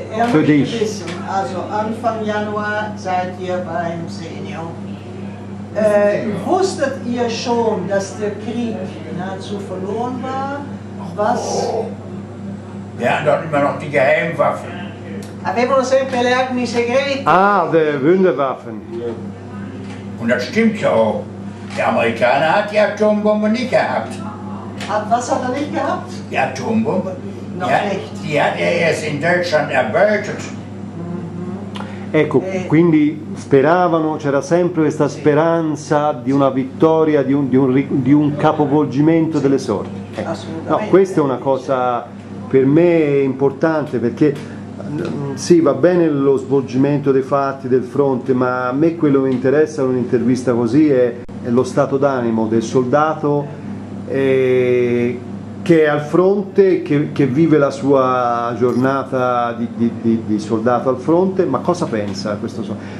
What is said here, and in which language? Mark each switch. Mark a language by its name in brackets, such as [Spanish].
[German] Für dich. Also Anfang Januar seid ihr beim Senio. Wusstet ihr schon, dass der Krieg nahezu verloren war? Was? Oh, wir haben dort immer noch die Geheimwaffen. [Italian] Avevano sempre le armi segrete. Ah, le Wunderwaffen. [German] Und das stimmt ja auch. Der Amerikaner hat die Atombombe nicht gehabt. Was hat er nicht gehabt? Die Atombombe? Noch nicht. Die hat erst in Deutschland erbeutet. [Italian] Ecco, quindi speravano, c'era sempre questa speranza di una vittoria, di un capovolgimento delle sorti. Ecco. Assolutamente. No, questa è una cosa per me importante, perché sì, va bene lo svolgimento dei fatti del fronte, ma a me quello che mi interessa in un'intervista così è lo stato d'animo del soldato che è al fronte, che vive la sua giornata di soldato al fronte, ma cosa pensa questo soldato?